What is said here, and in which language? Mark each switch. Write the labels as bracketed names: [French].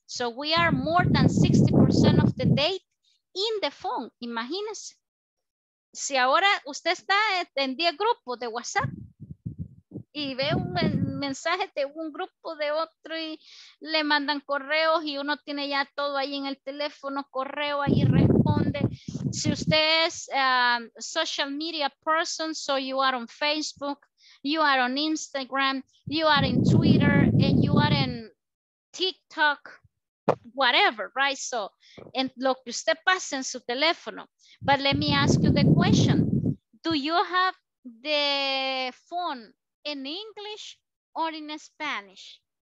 [English] So, we are more than 60% of the date in the phone. [Spanish] Imagínense. Si ahora usted está en 10 grupos de WhatsApp y ve un mensaje de un grupo de otro y le mandan correos y uno tiene ya todo ahí en el teléfono, correo ahí, responde. Si usted es [English] social media person, so you are on Facebook, you are on Instagram, you are in Twitter, and you are in TikTok, whatever, right? [Spanish] So, en lo que usted pasa en su teléfono. [English] But let me ask you the question. Do you have the phone in English or in Spanish?